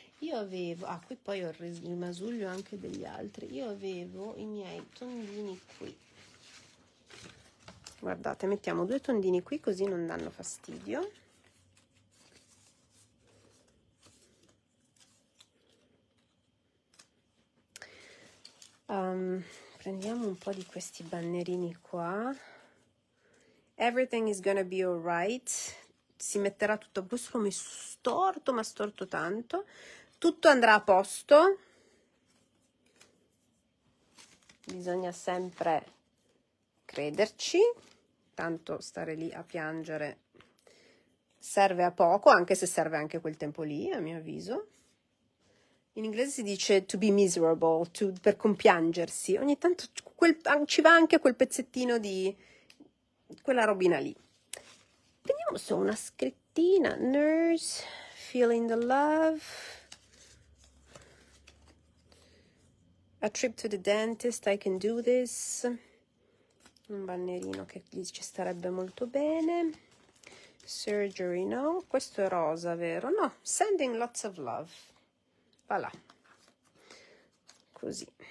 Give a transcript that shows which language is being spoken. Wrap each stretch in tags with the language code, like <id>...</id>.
<it>Io avevo, qui poi ho il rimasuglio anche degli altri, io avevo i miei tondini qui, guardate, mettiamo due tondini qui così non danno fastidio. Prendiamo un po' di questi bannerini qua.</it> <en>Everything is gonna be alright.</en> <it>Si metterà tutto a posto, come storto, ma storto tanto. Tutto andrà a posto. Bisogna sempre crederci. Tanto stare lì a piangere serve a poco, anche se serve anche quel tempo lì, a mio avviso. In inglese si dice to be miserable, per compiangersi. Ogni tanto ci va anche quel pezzettino di quella robina lì. Prendiamo solo una scrittina.</it> <en>Nurse, feeling the love. A trip to the dentist, I can do this.</en> <it>Un bannerino che gli ci starebbe molto bene. Surgery, no. Questo è rosa, vero? No,</it> <en>sending lots of love.</en> <it>Voilà. Così.</it>